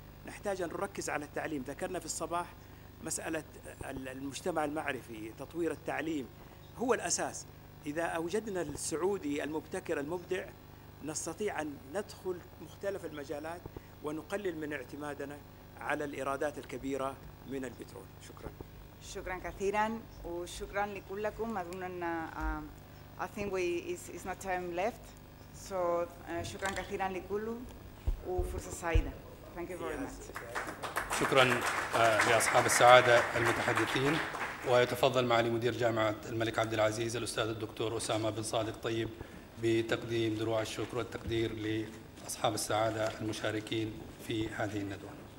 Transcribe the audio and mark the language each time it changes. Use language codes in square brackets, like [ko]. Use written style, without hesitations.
[ar] نحتاج أن نركز على التعليم، ذكرنا في الصباح مسألة المجتمع المعرفي، تطوير التعليم هو الأساس. إذا أوجدنا السعودي المبتكر المبدع نستطيع أن ندخل مختلف المجالات ونقلل من اعتمادنا على الإيرادات الكبيرة من البترول. شكراً. شكراً كثيراً وشكراً لكلكم. أظن أن [en] I think we is not time left. So [ar] شكراً كثيراً لكلكم وفرصة سعيدة. [en] Thank you very much. [ar] شكراً لأصحاب السعادة المتحدثين. ويتفضل معالي مدير جامعة الملك عبد العزيز الأستاذ الدكتور أسامة بن صادق طيب بتقديم دروع الشكر والتقدير لأصحاب السعادة المشاركين في هذه الندوة.